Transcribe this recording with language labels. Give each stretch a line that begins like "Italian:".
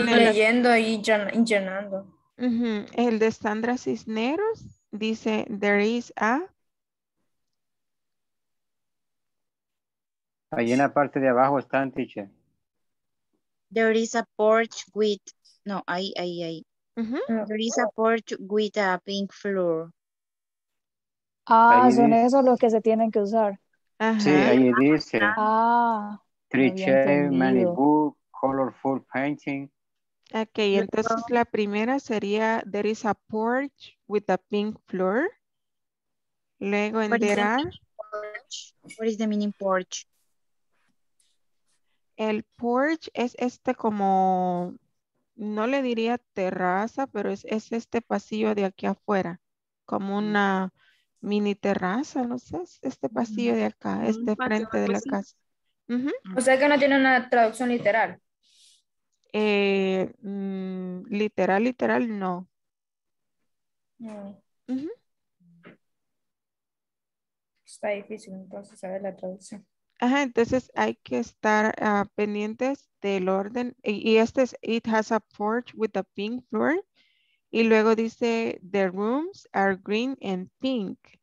Spanish: leyendo y llenando. Uh-huh. El de Sandra Cisneros dice
English: there is a.
Spanish: Ahí en la parte de abajo están, teacher.
English: There is a porch with,
Spanish: no, ahí.
English: Uh-huh. There is a porch with a pink floor.
Spanish: Ah, ahí son dice, esos los que se tienen que usar. Sí, ahí dice. Ah.
English: Three chairs, many books, colorful painting. Okay,
Spanish: entonces la primera sería,
English: there is a porch with a pink floor.
Spanish: Luego, en
English: there are. What is the meaning porch?
Spanish: El porch es este como, no le diría terraza, pero es este pasillo de aquí afuera. Como una mini terraza, no sé, este pasillo de acá, este frente de la casa. Uh-huh. O sea que no tiene una traducción literal. Literal, no. Uh-huh. Está difícil entonces saber la traducción. Ajá, entonces hay que estar pendientes del orden. Y este es,
English: it has a porch with a pink floor.
Spanish: Y luego dice,
English: the rooms are green and pink.